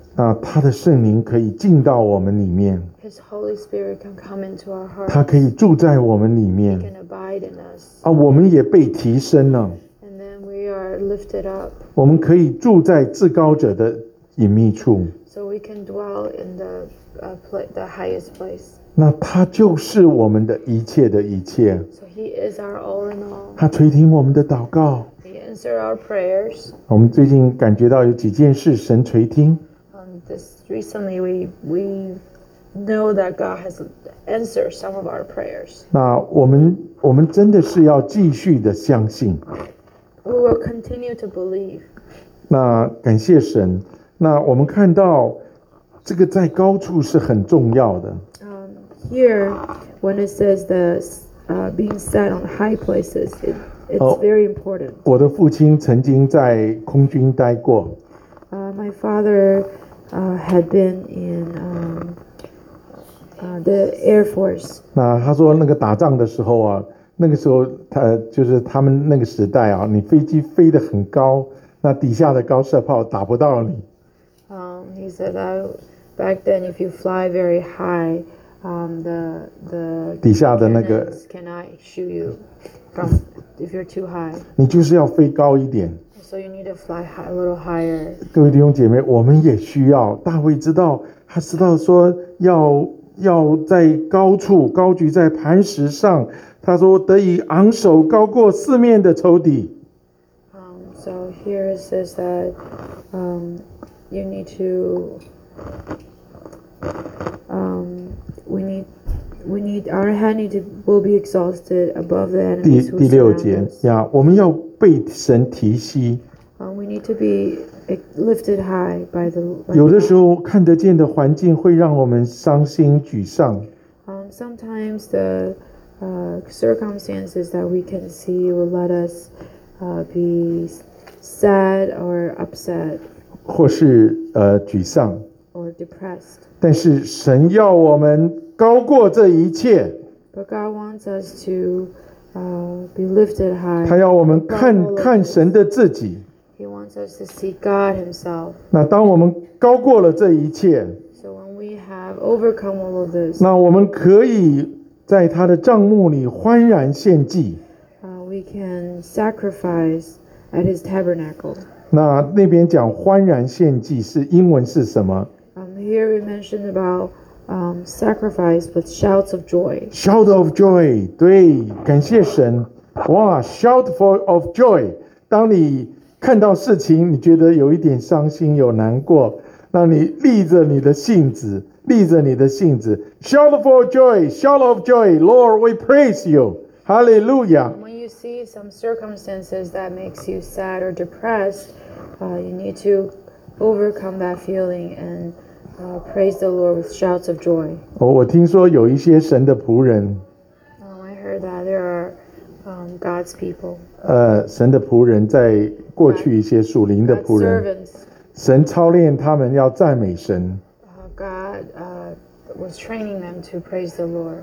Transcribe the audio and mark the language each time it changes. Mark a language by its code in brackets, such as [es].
[zh] 那他的圣灵可以进到我们里面。 [en] His Holy Spirit can come into our hearts. [zh] 他可以住在我们里面。 [en] He can abide in us. [zh] 啊，我们也被提升了。 [en] And then we are lifted up. [zh] 我们可以住在至高者的隐秘处。 [en] So we can dwell in the highest place. [zh] 那他就是我们的一切的一切。 [en] So he is our all in all. [zh] 他垂听我们的祷告。 [en] Answer our prayers. [zh] 我们最近感觉到有几件事神垂听。 [en] This recently we know that God has answered some of our prayers. [zh] 那我们真的是要继续的相信。 [en] We will continue to believe. [zh] 那感谢神。那我们看到这个在高处是很重要的。 [en] Here, when it says the being set on high places, It's very important. [zh] 我的父亲曾经在空军待过。 [en] My father had been in the Air Force. [zh] 那他说那个打仗的时候啊，那个时候他就是他们那个时代啊，你飞机飞得很高，那底下的高射炮打不到你。 [en] He said that back then if you fly very high, the [zh] 底下的那个 [en] cannot shoot you from. If you're too high, [zh] 你就是要飞高一点。 [en] So you need to fly high, a little higher. [zh] 各位弟兄姐妹，我们也需要。大卫知道，他知道说要在高处，高举在磐石上。他说得以昂首，高过四面的仇敌。 [en] So here it says that, you need to, we need our head need to will be exhausted above the enemies who surround us. [zh] 第六节呀，我们要被神提息。 [en] We need to be lifted high by the. [zh] 有的时候看得见的环境会让我们伤心沮丧。 [en] Sometimes the circumstances that we can see will let us be sad or upset. [zh] 或是沮丧。 [en] Or depressed. [zh] 但是神要我们。高过这一切。 [en] But God wants us to be lifted high. [zh] 他要我们看神的自己。 [en] He wants us to see God himself. [zh] 那当我们高过了这一切。 [en] So when we have overcome all of this. [zh] 那我们可以在他的帐幕里欢然献祭。 [en] We can sacrifice at his tabernacle. [zh] 那边讲欢然献祭是英文是什么？ [en] Here we mentioned about sacrifice with shouts of joy. Shout of joy, [zh] 对，感谢神，哇 [en] ，shout for of joy. [zh] 当你看到事情，你觉得有一点伤心，有难过，那你立着你的性子，立着你的性子 ， [en] shout for joy, shout of joy. Lord, we praise you. Hallelujah. When you see some circumstances that makes you sad or depressed, you need to overcome that feeling and. Praise the Lord with shouts of joy. [zh] 我听说有一些神的仆人。 [en] I heard that there are God's people. [zh] 神的仆人在过去一些属灵的仆人。 [en] Servants. [zh] 神操练他们要赞美神。 [en] God was training them to praise the Lord.